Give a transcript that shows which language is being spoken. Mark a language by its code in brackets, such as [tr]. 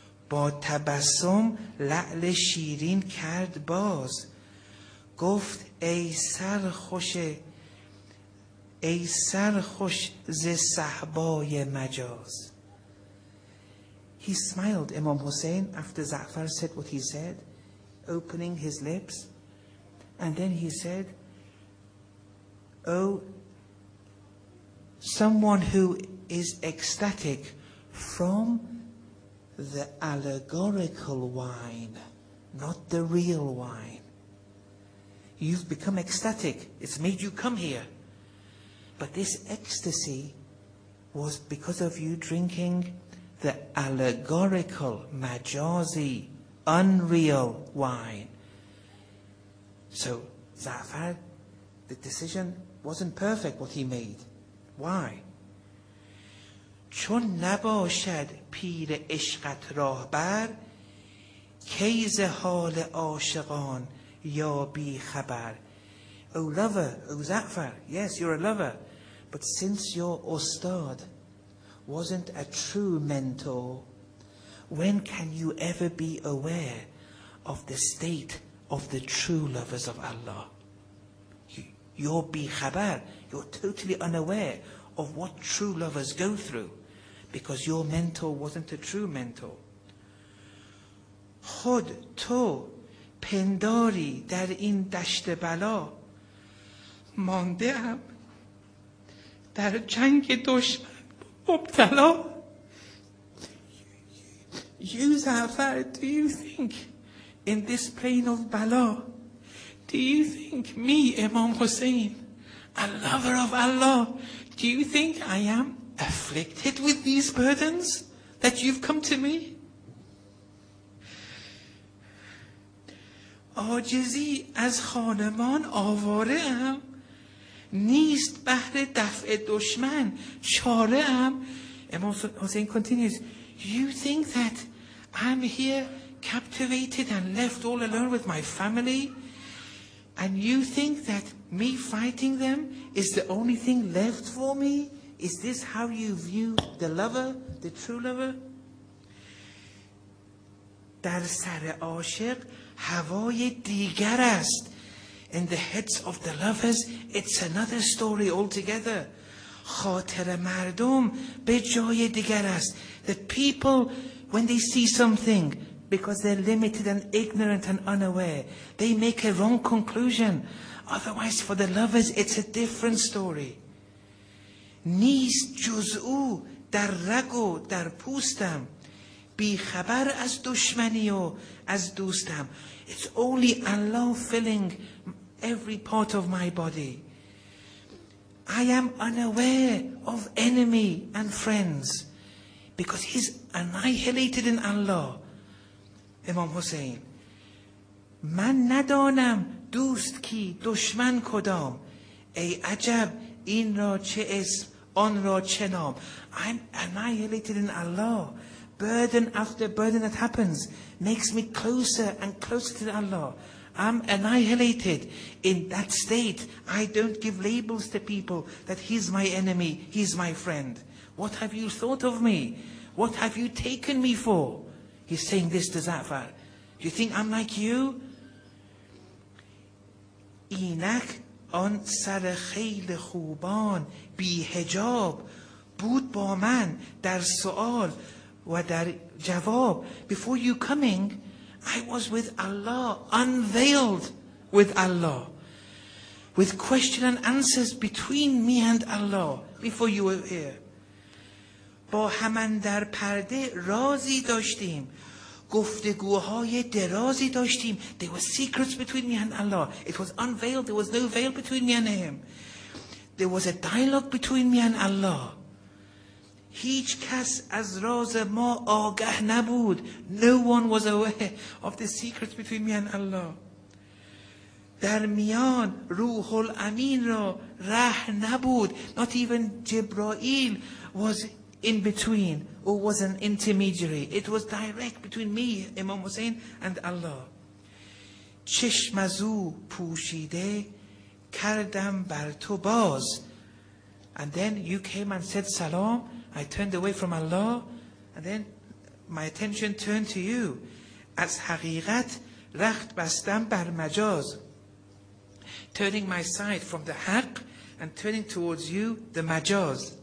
[fa] با تبسم لعل شیرین کرد باز. گفت ای سر خوش، ای سر خوش ز صحبای مجاز. [en] He smiled, Imam Hussein, after Za'far said what he said, opening his lips, and then he said, someone who is ecstatic from the allegorical wine, not the real wine. You've become ecstatic. It's made you come here. But this ecstasy was because of you drinking the allegorical, majazi, unreal wine. So Zafar, the decision wasn't perfect what he made. Why? [fa] چون نباشد پیر عشقت راهبر کیز حال عاشقان یا بی خبر. [en] O lover, O Zafar, yes, you're a lover, but since your ustad wasn't a true mentor, when can you ever be aware of the state of the true lovers of Allah? You're bi khabar, you're totally unaware of what true lovers go through, because your mentor wasn't a true mentor. [fa] خود تو پنداری در این دشت بلا مانده ام در جنگ دشمن مبتلا. [en] You, Zafar, do you think in this plain of bala, do you think me, Imam Hussein, a lover of Allah, do you think I am afflicted with these burdens that you've come to me? [fa] عاجزی از خانمان آواره ام نیست بهر دفع دشمن چاره ام. [en] Imam Hussein continues, you think that I'm here captivated and left all alone with my family, and you think that me fighting them is the only thing left for me? Is this how you view the lover, the true lover? [fa] در سر عاشق هوای دیگر است. [en] In the heads of the lovers, it's another story altogether. [fa] خاطر مردم به جای دیگر است. [en] The people, when they see something, because they're limited and ignorant and unaware, they make a wrong conclusion. Otherwise, for the lovers, it's a different story. [fa] نیست جز او در رگ و در پوستم بی خبر از دشمنی و از دوستم. [en] It's only Allah filling every part of my body. I am unaware of enemy and friends, because he's annihilated in Allah. [fa] Imam Hussein, من ندانم دوست کی دشمن کدام. ای عجب این را چه اسم آن را چه نام. [en] I'm annihilated in Allah. Burden after burden that happens makes me closer and closer to Allah. I'm annihilated in that state. I don't give labels to people that he's my enemy, he's my friend. What have you thought of me? What have you taken me for? He's saying this to Zafar. Do you think I'm like you? [fa] اینک آن سر خیلی خوبان بی حجاب بود با من در سؤال و در جواب. [en] Before you coming, I was with Allah, unveiled with Allah, with question and answers between me and Allah before you were here. [fa] با هم اندر پرده رازی داشتیم گفتگوهای درازی داشتیم. [en] There were secrets between me and Allah. It was unveiled, there was no veil between me and him. There was a dialogue between me and Allah. [fa] هیچ کس از راز ما آگاه نبود. [en] No one was aware of the secrets between me and Allah. [fa] در میان روح الامین را راه نبود. [en] Not even Jibreel was in between or was an intermediary. It was direct between me, Imam Hussein, and Allah. [fa] چشم از او پوشیده کردم بر تو باز. [en] And then you came and said salam. I turned away from Allah, and then my attention turned to you. [fa] As haqiqat rakht bastam bar majaz, [en] turning my side from the haq and turning towards you, the majaz.